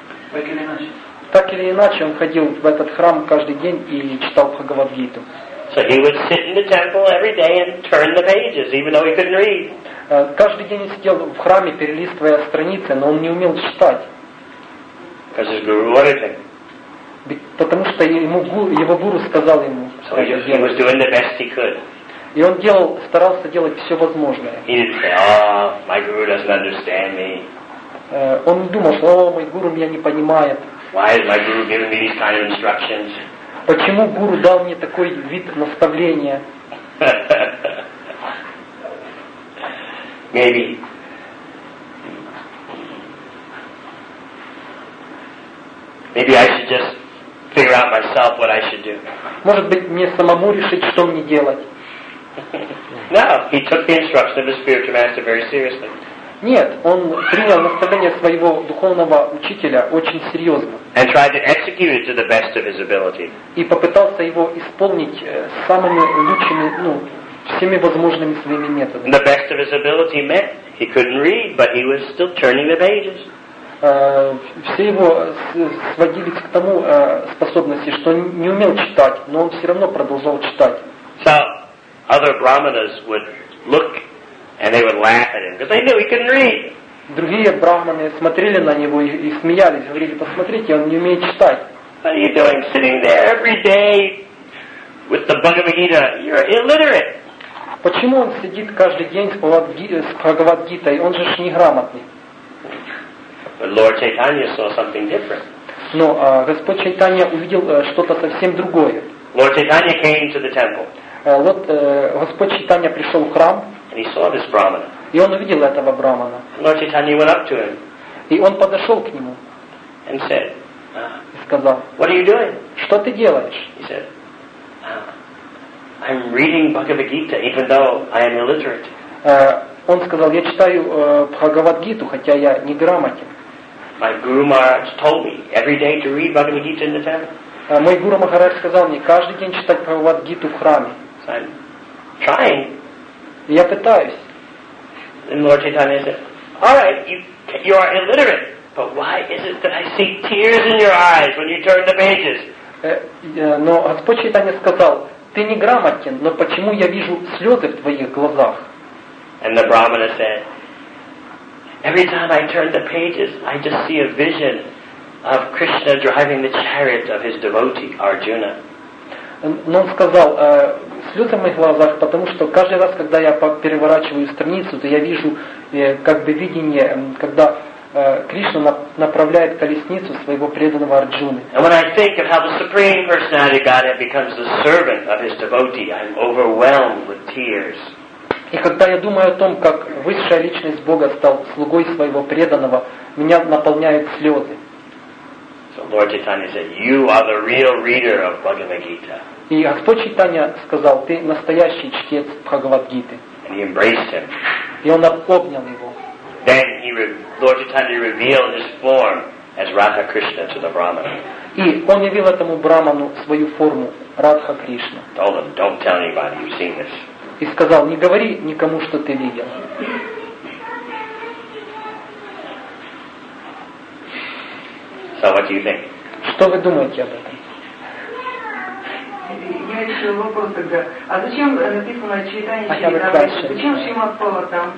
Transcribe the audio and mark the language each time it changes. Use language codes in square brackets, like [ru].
[ru] Так или иначе, он ходил в этот храм каждый день и читал Бхагавад-гиту. [en] So he would sit in the temple every day and turn the pages, even though he couldn't read. [ru] Каждый день он сидел в храме, перелистывая страницы, но он не умел читать. [en] Because his guru ordered him. [ru] Потому что его гуру сказал ему. [en] So he was doing the best he could. [ru] И он старался делать все возможное. [en] He didn't say, oh, my guru doesn't understand me. [ru] Он думал, что, о, мой гуру меня не понимает. [en] Why is my guru giving me these kind of instructions? [ru] Почему гуру дал мне такой вид наставления? [en] Maybe. Maybe I should just figure out myself what I should do. [ru] Может быть, мне самому решить, что мне делать? [en] No, he took the instructions of his spiritual master very seriously. [ru] Нет, он принял наставление своего духовного учителя очень серьезно. [en] And tried to execute it to the best of his ability. [ru] И попытался его исполнить самыми лучшими, ну, всеми возможными своими методами. [en] The best of his ability meant he couldn't read, but he was still turning the pages. [ru] Все его сводились к тому способности, что он не умел читать, но он все равно продолжал читать. [en] So other brahmanas would look. And they would laugh at him because they knew he couldn't read. [ru] Другие брахманы смотрели на него и смеялись, говорили: "Посмотрите, он не умеет читать." [en] What are you doing, sitting there every day with the Bhagavad Gita? You're illiterate. [ru] Почему он сидит каждый день с Бхагавад Гитой? Он же неграмотный. [en] But Lord Chaitanya saw something different. [ru] Но Господь Чайтанья увидел что-то совсем другое. [en] Lord Chaitanya came to the temple. [ru] Вот Господь Чайтанья пришел в храм. [en] And he saw this brahmana. [ru] И он увидел этого брахмана. [en] Lord Chaitanya went up to him. [ru] И он подошел к нему. [en] And said, [ru] и сказал, [en] what are you doing? [ru] Что ты делаешь? [en] He said, I'm reading Bhagavad Gita, even though I am illiterate. [ru] Он сказал, я читаю Бхагавад Гиту, хотя я не грамотен. [en] My Guru Maharaj told me every day to read Bhagavad Gita in the temple. [ru] Мой Гуру Махарадж сказал мне каждый день читать Бхагавад Гиту в храме. [en] So I'm trying. [ru] Я пытаюсь. [en] And Lord Chaitanya said, all right, you are illiterate, but why is it that I see tears in your eyes when you turn the pages? [ru] Но Господь Чайтанья сказал, ты неграмотен, но почему я вижу слезы в твоих глазах? [en] And the Brahmana said, every time I turn the pages, I just see a vision of Krishna driving the chariot of his devotee, Arjuna. [ru] Но он сказал, слезы в моих глазах, потому что каждый раз, когда я переворачиваю страницу, то я вижу как бы видение, когда Кришна направляет колесницу своего преданного Арджуны. [en] And when I think of how the Supreme Personality Godhead becomes the servant of his devotee, I'm overwhelmed with tears. [ru] И когда я думаю о том, как высшая личность Бога стал слугой своего преданного, меня наполняют слезы. [en] So Lord Chaitanya said, "You are the real reader of Bhagavad Gita." [ru] И Господь Чайтанья сказал, ты настоящий чтец Бхагавадгиты. [en] And he embraced him. [ru] И он обнял его. [en] Then Lord Chaitanya revealed his form as Radha Krishna to the Brahmana. [ru] И он явил этому Брахману свою форму Радха Кришна. [en] Told him, "Don't tell anybody you've seen this." [ru] И сказал, не говори никому, что ты видел. [en] So what do you think? [ru] Что вы думаете об этом? Я еще вопрос тогда. А зачем написано Чайтанья Чаритамрита? Зачем Шримад Бхагаватам?